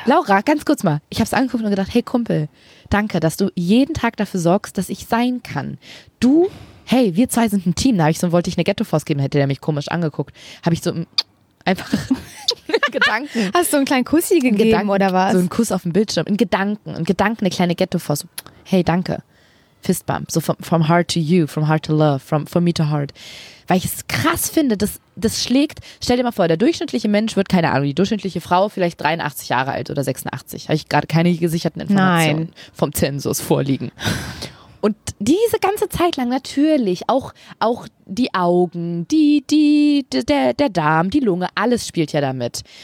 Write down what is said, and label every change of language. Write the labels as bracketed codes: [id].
[de] Laura, ganz kurz mal, ich habe es angeguckt und gedacht, hey Kumpel, danke, dass du jeden Tag dafür sorgst, dass ich sein kann. Du, hey, wir zwei sind ein Team, da habe ich so, wollte ich eine Ghetto-Force geben, hätte der mich komisch angeguckt, habe ich so einfach Gedanken. Hast du einen kleinen Kussi gegeben oder was? So einen Kuss auf dem Bildschirm, in Gedanken, eine kleine Ghetto-Force, hey, danke. Fistbump. [en] So from heart to you, from heart to love, from me to heart. [de] Weil ich es krass finde, das schlägt, stell dir mal vor, der durchschnittliche Mensch wird, keine Ahnung, die durchschnittliche Frau vielleicht 83 Jahre alt oder 86. Habe ich gerade keine gesicherten Informationen vom Zensus vorliegen. Und diese ganze Zeit lang natürlich auch die Augen, der Darm, die Lunge, alles spielt ja damit.